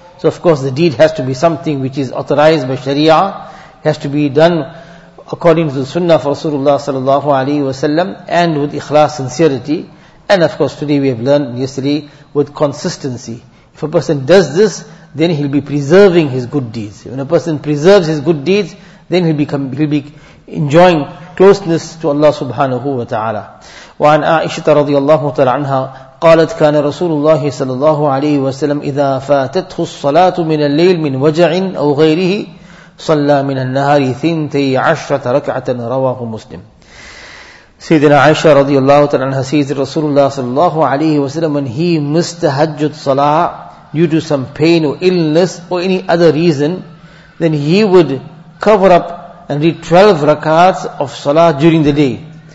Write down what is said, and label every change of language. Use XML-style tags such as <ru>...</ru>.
<en>So of course the deed has to be something which is authorized by Sharia, has to be done according to the Sunnah of Rasulullah sallallahu alaihi wasallam and with ikhlas, sincerity. And of course today we have learned yesterday with consistency. If a person does this, then he'll be preserving his good deeds. When a person preserves his good deeds, then he'll be enjoying closeness to Allah subhanahu wa ta'ala.</en> <ar>وعن عائشة رضي الله تعالى عنها قالت كان رسول الله صلى الله عليه وسلم إذا فاتته الصلاة من الليل من وجع أو غيره صلى من النهار ثنتي عشرة ركعة رواه مسلم. سيدنا عائشة رضي الله تعالى عنها سيد رسول الله صلى الله عليه وسلم</ar> <en>when he missed tahajjud salah due to some pain or illness or any other reason, then he would cover up and read 12 rakats of salah during the day.</en>